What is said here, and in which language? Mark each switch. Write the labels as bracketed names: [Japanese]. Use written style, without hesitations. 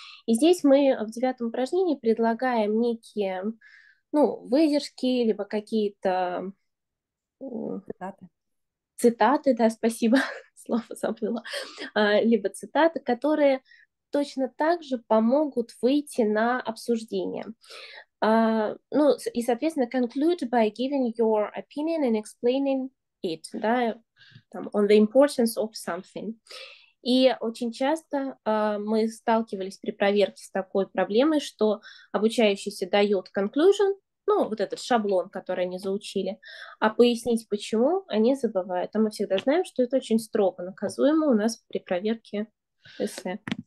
[Russian] И здесь мы в девятом упражнении предлагаем некие, ну, выдержки, либо какие-то цитаты, да, спасибо, слово забыла, либо цитаты, которые точно так же помогут выйти на обсуждение. Ну, и, соответственно, [English] conclude by giving your opinion and explaining it, [Russian] да, там, [English] on the importance of something. [Russian] И очень часто мы сталкивались при проверке с такой проблемой, что обучающийся дает conclusion, ну, вот этот шаблон, который они заучили, а пояснить, почему, они забывают. А мы всегда знаем, что это очень строго наказуемо у нас при проверке эссе.